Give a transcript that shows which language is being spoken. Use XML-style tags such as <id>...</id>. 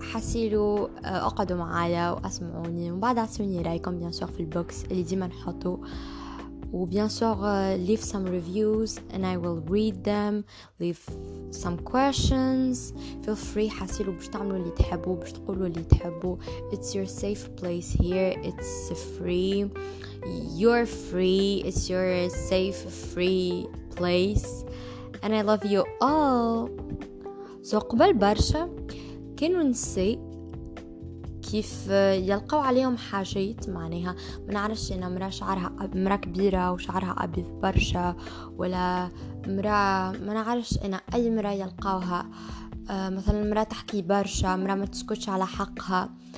<ar>حسيلو اقعدوا معايا واسمعوني, ومن بعد اعطوني رايكم بيان سور في البوكس اللي ديما نحطو, وبيان سور</ar> <en>leave some reviews and I will read them, leave some questions, feel free.</en> <ar>حسيلو باش تعملوا اللي تحبوا, باش تقولوا اللي تحبوا.</ar> <en>It's your safe place here, it's free, you're free, it's your safe free place, and I love you all.</en> <ar>سو قبل برشا كانوا نسي كيف يلقوا عليهم حاجات, معناها ما نعرفش انا مرا شعرها مرا كبيره وشعرها ابيض برشا, ولا مرا ما نعرفش انا اي مرا يلقاوها مثلا مرا تحكي برشا, مرا ما تسكتش على حقها.</ar>